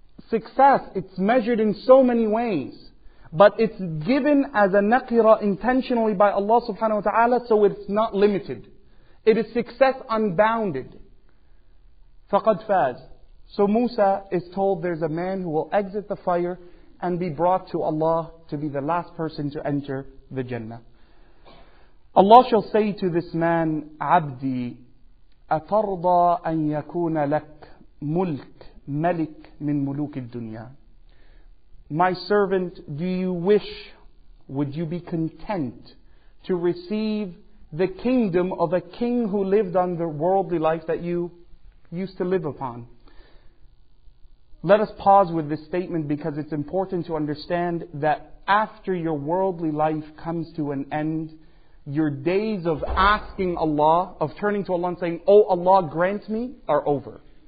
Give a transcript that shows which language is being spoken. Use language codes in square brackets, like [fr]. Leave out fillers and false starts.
[en] Success, it's measured in so many ways. But it's given as a naqira intentionally by Allah subhanahu wa ta'ala, so it's not limited. It is success unbounded. [ar] فَقَدْ فَاز. [en] So Musa is told there's a man who will exit the fire and be brought to Allah to be the last person to enter the Jannah. Allah shall say to this man, [ar] عَبْدِي أَتَرْضَى أَن يَكُونَ لَكْ مُلْكْ مَلِكْ مِنْ مُلُوكِ الدُّنْيَا. [en] My servant, do you wish, would you be content to receive the kingdom of a king who lived on the worldly life that you used to live upon? Let us pause with this statement because it's important to understand that after your worldly life comes to an end, your days of asking Allah, of turning to Allah and saying, "Oh Allah, grant me," are over.